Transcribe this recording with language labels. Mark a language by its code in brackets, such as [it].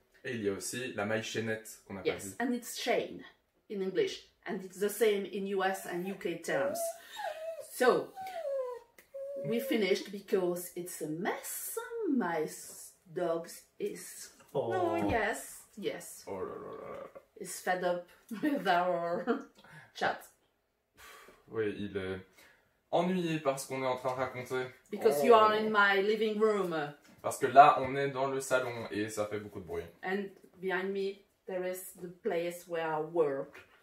[fr] Et il y a aussi la maille chaînette qu'on a pas dit. [en] Yes, and it's chain. In English, and it's the same in US and UK terms. So, we finished because it's a mess. My dog is... Oh, no, yes, yes. [fr] Oh, la, la, la, la. [en] Is fed up with our chat. [fr] Oui, il est ennuyé par ce qu'on est en train de raconter. [en] Because you are in my living room. [fr] Parce que là, on est dans le salon et ça fait beaucoup de bruit. [en] And behind me, there is the place where I work.